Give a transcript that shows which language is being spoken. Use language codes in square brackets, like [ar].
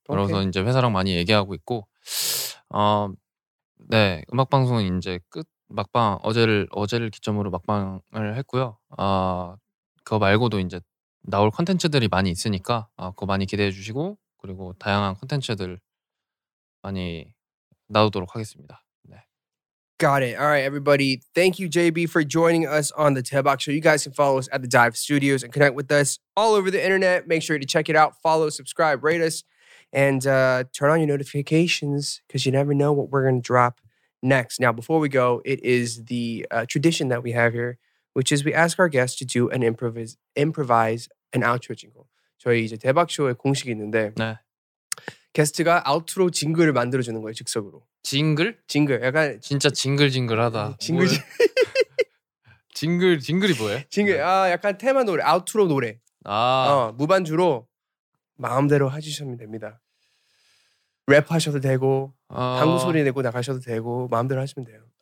[ko] 그래서 이제 회사랑 많이 얘기하고 있고, 네, 음악 방송은 이제 끝. 막방 어제를 기점으로 막방을 했고요. 그거 말고도 이제 나올 컨텐츠들이 많이 있으니까 그거 많이 기대해 주시고 그리고 다양한 컨텐츠들 많이 나오도록 하겠습니다. 네. [en] Got it. All right, everybody. Thank you, JB, for joining us on the Tebak Show. You guys can follow us at the Dive Studios and connect with us all over the internet. Make sure to check it out. Follow, subscribe, rate us, and turn on your notifications because you never know what we're going to drop. Next. Now, before we go, it is the tradition that we have here, which is we ask our guests to do an improvise an outro jingle. [ko] 저희 이제 대박 쇼에 공식이 있는데 네. 게스트가 아웃트로 징글을 만들어 주는 거예요, 즉석으로. 징글? 징글. 약간 진짜 징글징글하다. 징글. 징글이 뭐예요? 징글. 네. 아, 약간 테마 노래, 아웃트로 노래. 아. 무반주로 마음대로 해 주시면 됩니다. 랩 하셔도 되고 당구 소리 내고 나가셔도 되고 마음대로 하시면 돼요.